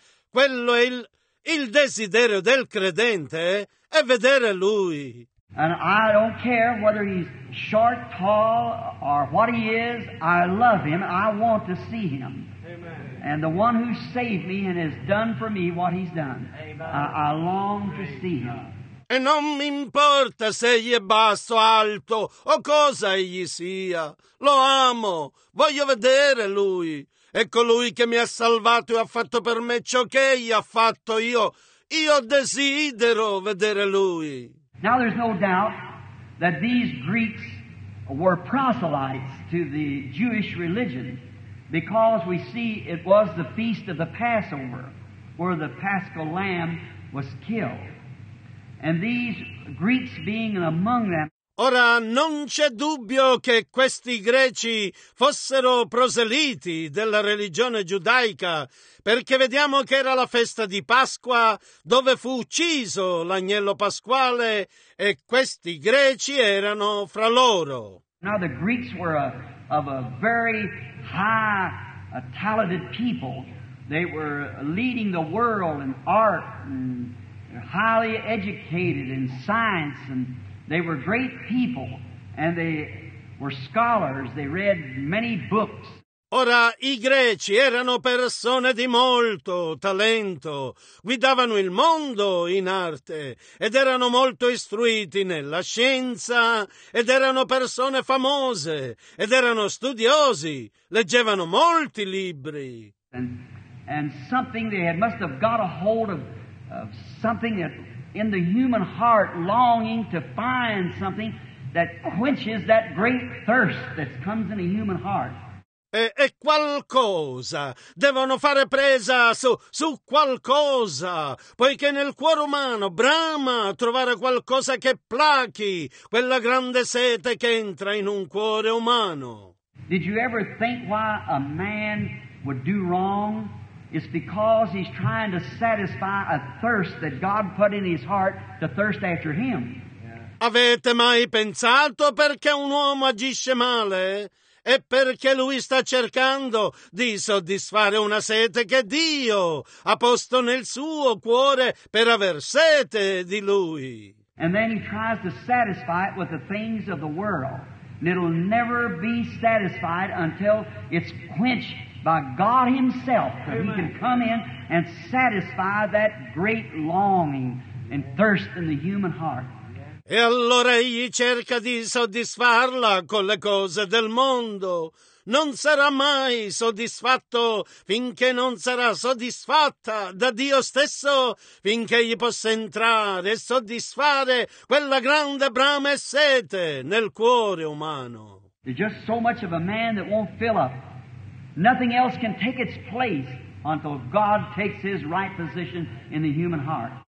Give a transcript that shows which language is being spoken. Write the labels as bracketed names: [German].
[Italian] Quello è il desiderio del credente è vedere lui. [English] And I don't care whether he's short, tall, or what he is. I love him. I want to see him. Amen. And the one who saved me and has done for me what he's done. Amen. I long to see him. [Italian] E non mi importa se egli è basso, alto o cosa egli sia. Lo amo. Voglio vedere lui. È colui che mi ha salvato e ha fatto per me ciò che egli ha fatto. Io desidero vedere lui. [English] Now there's no doubt that these Greeks were proselytes to the Jewish religion because we see it was the feast of the Passover where the Paschal lamb was killed. And these Greeks being among them. [Italian] Ora non c'è dubbio che questi greci fossero proseliti della religione giudaica, perché vediamo che era la festa di Pasqua dove fu ucciso l'agnello pasquale e questi greci erano fra loro. [English] Now the Greeks were of a very high, talented people. They were leading the world in art and highly educated in science and they were great people and they were scholars. They read many books. [Italian] Ora, i greci erano persone di molto talento, guidavano il mondo in arte ed erano molto istruiti nella scienza ed erano persone famose ed erano studiosi, leggevano molti libri. [English] And something they had must have got a hold of something that in the human heart longing to find something that quenches that great thirst that comes in a human heart. [Italian] E qualcosa, devono fare presa su qualcosa, poiché nel cuore umano brama trovare qualcosa che plachi quella grande sete che entra in un cuore umano. [English] Did you ever think why a man would do wrong? It's because he's trying to satisfy a thirst that God put in his heart to thirst after him. Yeah. [Italian] Avete mai pensato perché un uomo agisce male? È perché lui sta cercando di soddisfare una sete che Dio ha posto nel suo cuore per aver sete di lui. [English] And then he tries to satisfy it with the things of the world. And it'll never be satisfied until it's quenched by God himself, that he can come in and satisfy that great longing and thirst in the human heart. [Italian] E allora egli cerca di soddisfarla con le cose del mondo. Non sarà mai soddisfatto finché non sarà soddisfatta da Dio stesso, finché egli possa entrare e soddisfare quella grande brama e sete nel cuore umano. [English] There's just so much of a man that won't fill up. Nothing else can take its place until God takes his right position in the human heart.